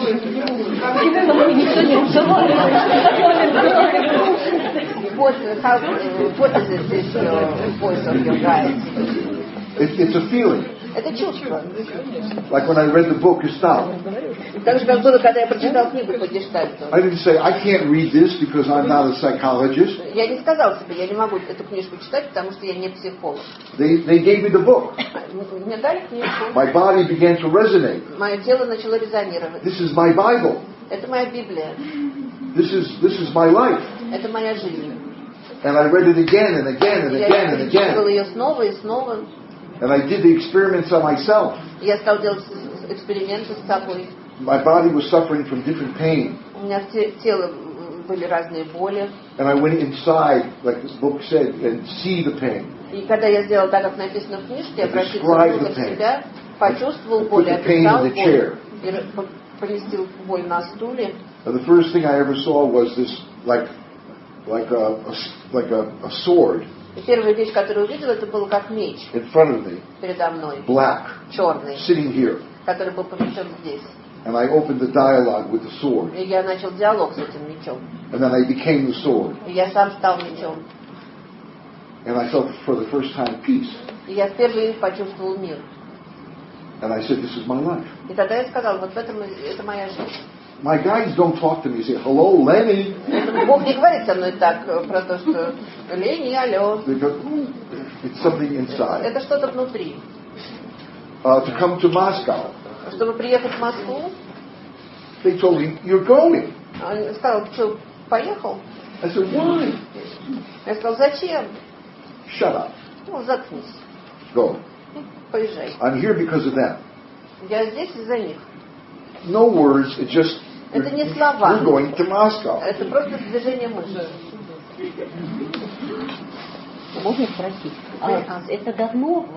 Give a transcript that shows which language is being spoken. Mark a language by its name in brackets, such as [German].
[English] What is this voice of your guide? It's a feeling. [Russian] Это чувство. [English] Like when I read the book, you stop. [Russian] Так же, как было, когда я прочитал книгу по гештальту. [English] I didn't say, I can't read this because I'm not a psychologist. [Russian] Я не сказал себе, я не могу эту книжку читать, потому что я не психолог. [English] They gave me the book. [Russian] Мне дали книжку. [English] My body began to resonate. [Russian] Мое тело начало резонировать. [English] This is my Bible. [Russian] Это моя Библия. [English] This is my life. [Russian] Это моя жизнь. [English] And I read it again and again and again and again. [Russian] Я прочитал ее снова и снова. [English] And I did the experiments on myself. [Russian] Я стал делать эксперименты с собой. [English] My body was suffering from different pain. [Russian] У меня в теле были разные боли. [English] And I went inside, like the book said, and see the pain. [Russian] И когда я сделал так, как написано в книжке, я прочитал внутрь себя, почувствовал боль, описал боль, и поместил боль на стуле. [English] And the first thing I ever saw was this, like a sword. [Russian] Первая вещь, которую увидел, это было как меч. [English] In front of me. [Russian] Передо мной. [English] Black. [Russian] Черный. [English] Sitting here. [Russian] Который был помещен здесь. [English] And I opened the dialogue with the sword. [Russian] И я начал диалог с этим мечом. [English] And then I became the sword. [Russian] И я сам стал мечом. [English] And I felt for the first time peace. [Russian] И я впервые почувствовал мир. [English] And I said, this is my life. [Russian] И тогда я сказал, вот в этом это моя жизнь. [English] My guides don't talk to me. They say, "Hello, Lenny." [Russian] Бог не говорит со мной так про то, что Ленни, алло. [English] It's something inside. [Russian] Это что-то внутри. [English] To come to Moscow. [Russian] Чтобы приехать в Москву. [English] They told me, "You're going." [Russian] Он сказал, что поехал. [English] I said, "Why?" [Russian] Я сказал, зачем? [English] Shut up. [Russian] Ну, заткнись. [English] Go. [Russian] Поезжай. [English] I'm here because of them. [Russian] Я здесь из-за них. [English] No words, it's just you're going to Moscow. [Russian] Это просто движение мышц. Можно спросить, а это давно?